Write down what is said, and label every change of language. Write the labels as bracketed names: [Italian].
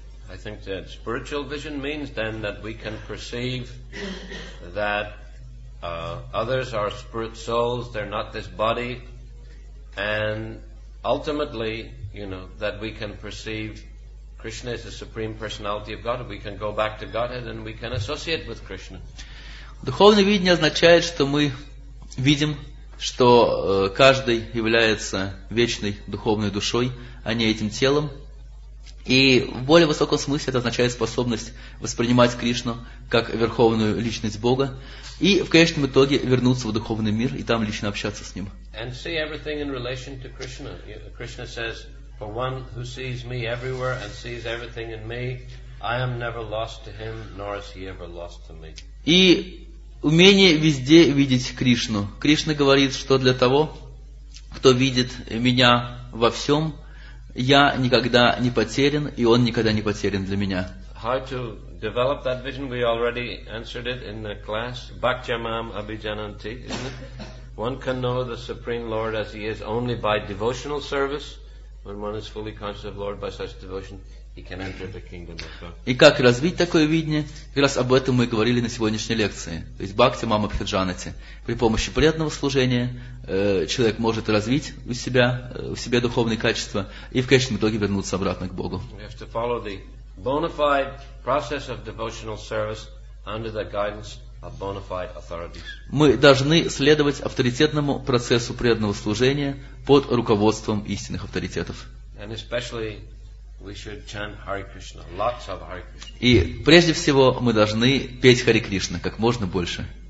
[English] I think that spiritual vision means then that we can perceive that others are spirit souls, they're not this body, and ultimately, you know, that we can perceive Krishna as the Supreme Personality of Godhead. We can go back to Godhead and we can associate with Krishna. [Russian] Духовное видение означает, что мы видим, что каждый является вечной духовной душой, а не этим телом. И в более высоком смысле это означает способность воспринимать Кришну как верховную личность Бога и в конечном итоге вернуться в духовный мир и там лично общаться с Ним. [English] And see everything in relation to Krishna. Krishna says, for one who sees me everywhere and sees everything in me, I am never lost to him, nor is he ever lost to me. [Russian] И умение везде видеть Кришну. Кришна говорит, что для того, кто видит меня во всем, я никогда не потерян, и он никогда не потерян для меня. [English] How to develop that vision? We already answered it in the class. [Sanskrit] Bhakchamam abhijananti, [English] isn't it? One can know the Supreme Lord as he is only by devotional service, When one is fully conscious of Lord by such devotion, he can enter the kingdom of God. [Russian] И как развить такое видение? Как раз об этом мы говорили на сегодняшней лекции. То есть [Sanskrit] бхакти мама бхиджанати. [Russian] При помощи преданного служения человек может развить в себе духовные качества и в конечном итоге вернуться обратно к Богу. [English] You have to follow the bona fide process of devotional service under the guidance of bona fide authorities. [Russian] Мы должны следовать авторитетному процессу преданного служения под руководством истинных авторитетов. [English] And especially we should chant Hare Krishna, lots of Hare Krishna. [Russian] И прежде всего мы должны петь Харе Кришна как можно больше.